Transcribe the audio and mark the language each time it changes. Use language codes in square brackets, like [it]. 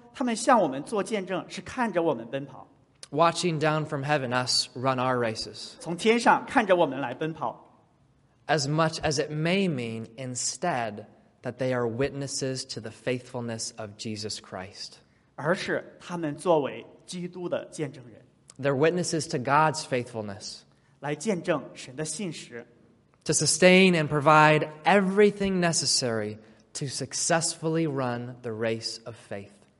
[zh] 我稍作澄清，这不是说他们向我们做见证，是看着我们奔跑。 [en] Watching down from heaven, us run our races. [zh] 从天上看着我们来奔跑。 [en] As much as it may mean, instead, that they are witnesses to the faithfulness of Jesus Christ. [zh] 而是他们作为基督的见证人。 [en] They're witnesses to God's faithfulness. [zh] 来见证神的信实。 [en] To sustain and provide everything necessary to successfully run the race of faith.